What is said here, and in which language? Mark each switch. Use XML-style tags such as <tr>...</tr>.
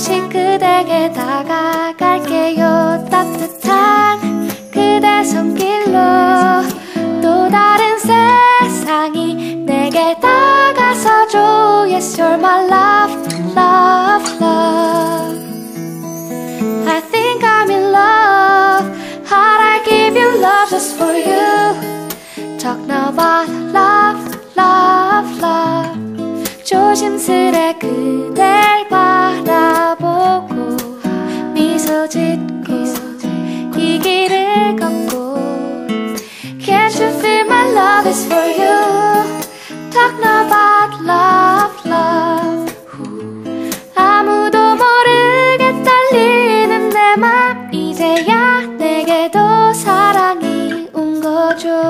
<ko>그대에게 다가갈게요. 따뜻한 그대 손길로 또 다른 세상이 내게 다가서죠.</ko> <en>Yes, you're my love, love, love. I think I'm in love. How'd I give you love just for you? Talk now about love, love, love.</en> <ko>조심스레 그댈 바라보고 미소 짓고 이 길을 걷고</ko> <en>Can't you feel my love is for you? Talk now about love, love.</en> <ko>아무도 모르게 떨리는 내 맘 이제야 내게도 사랑이 온 거죠.</ko>